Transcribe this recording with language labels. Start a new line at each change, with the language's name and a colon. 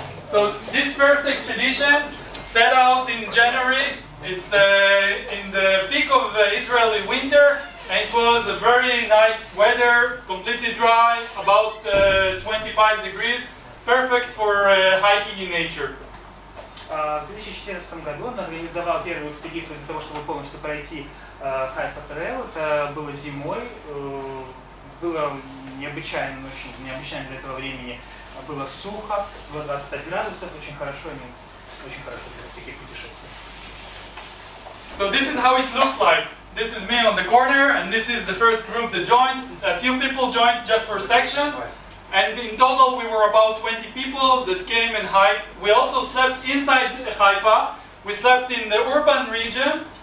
English: So this first expedition set out in January. It's in the peak of Israeli winter, and it was a very nice weather, completely dry, about 25 degrees, perfect for hiking in nature.
Russian: В 2014 году он организовал первую экспедицию для того, чтобы полностью пройти Хайфа Трейл. Это было зимой, было необычайно, очень необычайно для этого времени. Было сухо, было 25 градусов, очень хорошо, они очень хорошо для таких путешествий.
English: So this is how it looked like. This is me on the corner, and this is the first group that joined. A few people joined just for sections. And in total we were about 20 people that came and hiked. We also slept inside Haifa. We slept in the urban region.